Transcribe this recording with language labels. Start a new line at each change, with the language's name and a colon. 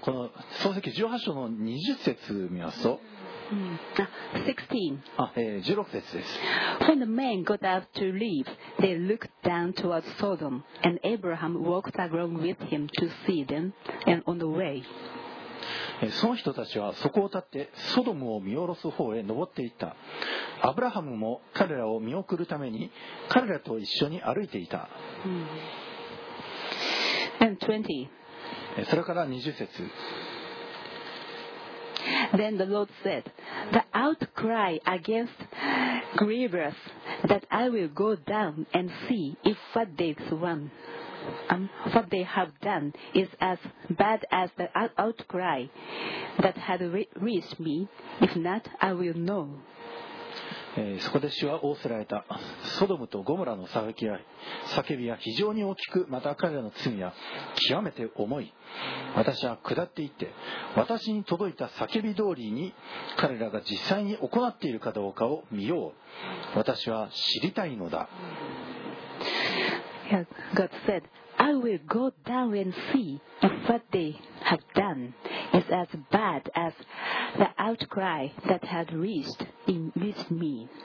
Japanese: この創世記18章の20節を見ますと、16節です。
English: When the men got up to leave, they looked down towards Sodom, and Abraham walked along with him to see them, and on the way.
Japanese: その人たちはそこを立ってソドムを見下ろす方へ登っていった。アブラハムも彼らを見送るために彼らと一緒に歩いていた。
English: And 20.
Japanese: それから20節。
English: Then the Lord said, The outcry against grievous that I will go down and see if what they've done, what they have done is as bad as the outcry that had reached me. If not, I will know.
Japanese: そこで主は仰せられた。ソドムとゴモラの叫びは非常に大きく、また彼らの罪は極めて重い。私は下って行って、私に届いた叫び通りに彼らが実際に行っているかどうかを見よう。私は知りたいのだ。
English: God said, I will go down and see if what they have done is as bad as the outcry that had reached me.